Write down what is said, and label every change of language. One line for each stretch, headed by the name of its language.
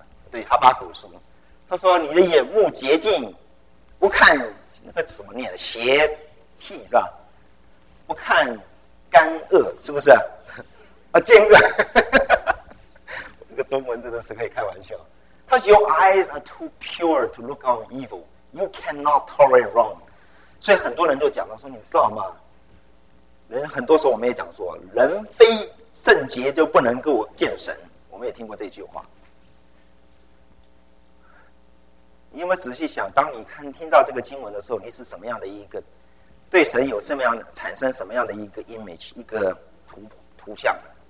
Chinese: 对，哈巴谷书，他说你的眼目洁净，不看那个怎么念的邪僻是吧？不看干恶是不是？奸恶，这个中文真的是可以开玩笑。
English: Because your eyes are too pure to look on evil, you cannot tolerate wrong.
Chinese: 所以很多人就讲了，说你知道吗？人很多时候我们也讲说，人非圣洁就不能够见神。我们也听过这句话。你有没有仔细想，当你听到这个经文的时候，你是什么样的一个对神有什么样的产生什么样的一个 image， 一个图像呢？